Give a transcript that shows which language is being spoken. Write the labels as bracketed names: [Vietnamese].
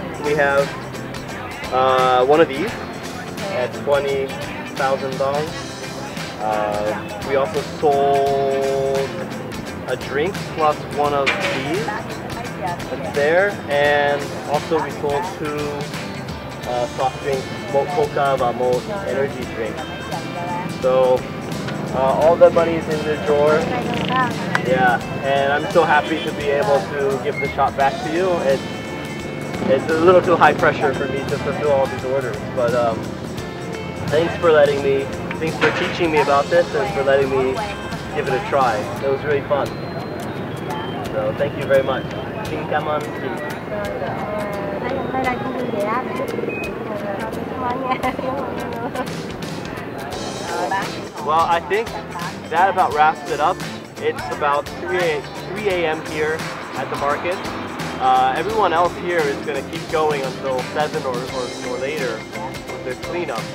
[English] We have one of these at 20,000 dong. We also sold a drink plus one of these that's there, and also we sold two soft drinks. [Vietnamese] Coca và một [English] energy drink. So all the money is in the drawer. Yeah, and I'm so happy to be able to give the shop back to you. It's a little too high pressure for me to fulfill all these orders, but thanks for teaching me about this and for letting me give it a try. It was really fun. So thank you very much. [Vietnamese] Xin cảm ơn chị. Hôm nay là không được để ăn. Hãy subscribe cho kênh Ghiền Mì Gõ để không bỏ lỡ những video hấp dẫn. [English] Well, I think that about wraps it up. It's about 3 a.m. here at the market. Everyone else here is going to keep going until 7 or later with their cleanup.